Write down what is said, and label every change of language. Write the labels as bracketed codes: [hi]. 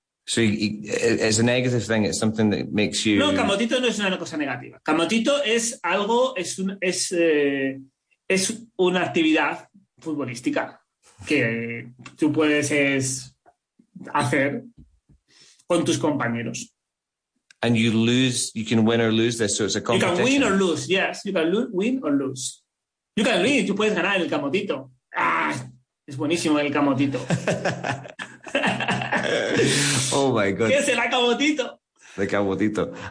[en] So it's a negative thing. It's something that makes you... [es] No, camotito no es una cosa negativa. Camotito es algo, es una actividad futbolística que tú puedes hacer con tus compañeros. [en] And you lose, you can win or lose this, so it's a competition. You can win or lose, yes. You can win or lose. You can win, [es] tú puedes ganar en el camotito. Ah, es buenísimo el camotito. [en] Oh my God. [es] ¿Qué será camotito? [en] The camotito.